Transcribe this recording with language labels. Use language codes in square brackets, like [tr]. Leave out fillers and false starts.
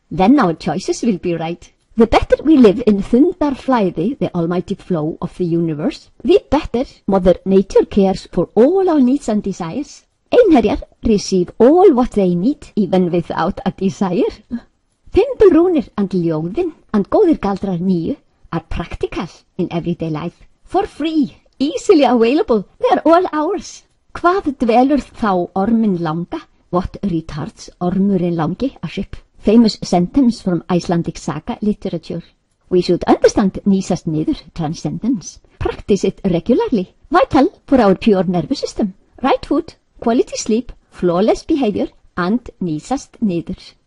[en] Then our choices will be right. The better we live in þundarflæði, the almighty flow of the universe, the better Mother Nature cares for all our needs and desires. Einherjar receive all what they need, even without a desire. Fimbulrúnir and ljóðin and [is] góðir galdrar nýju [en] are practical in everyday life. For free, easily available, they are all ours. [is] Hvað dvelur þá ormin langa? [en] What retards ormurinn langi a ship? Famous sentence from Icelandic saga literature. We should understand nýsa niður transcendence. Practice it regularly. Vital for our pure nervous system. Right food, quality sleep, flawless behavior, and nýsa niður.